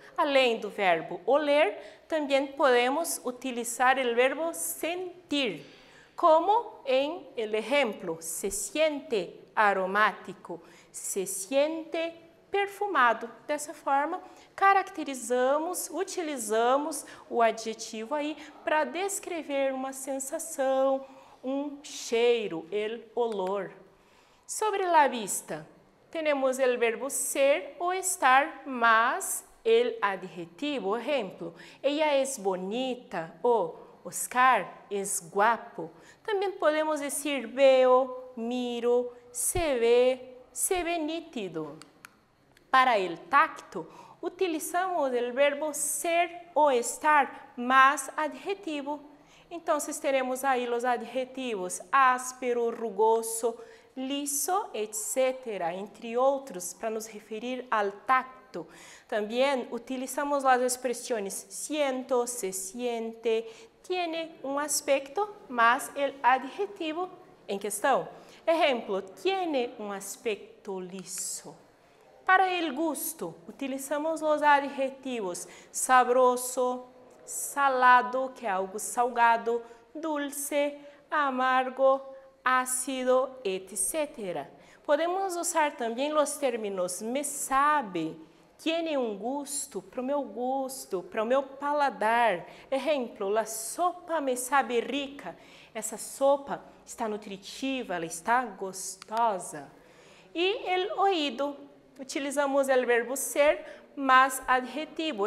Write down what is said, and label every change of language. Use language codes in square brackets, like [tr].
[pt] Além do verbo oler, também podemos utilizar o verbo sentir, como em exemplo, [es] se siente aromático, se siente perfumado. [pt] Dessa forma, caracterizamos, utilizamos o adjetivo aí para descrever uma sensação, um cheiro, el olor. [es] Sobre la vista, tenemos el verbo ser o estar más el adjetivo. Ejemplo, ella es bonita o Oscar es guapo. También podemos decir veo, miro, se ve nítido. Para el tacto, utilizamos el verbo ser o estar más adjetivo. Entonces tenemos ahí los adjetivos áspero, rugoso, liso, etc., [pt] entre outros, para nos referir ao tacto. Também utilizamos as expressões siento, se siente, tiene um aspecto, mas o adjetivo em questão. [es] Exemplo, tiene um aspecto liso. [pt] Para o gusto, utilizamos os adjetivos sabroso, salado, que é algo salgado, dulce, amargo, ácido, etc. Podemos usar também os términos [es] me sabe, tiene un gusto, [pt] para o meu paladar. Exemplo, [es] la sopa me sabe rica. [pt] Essa sopa está nutritiva, ela está gostosa. [es] E el oído, utilizamos el verbo ser, mas adjetivo.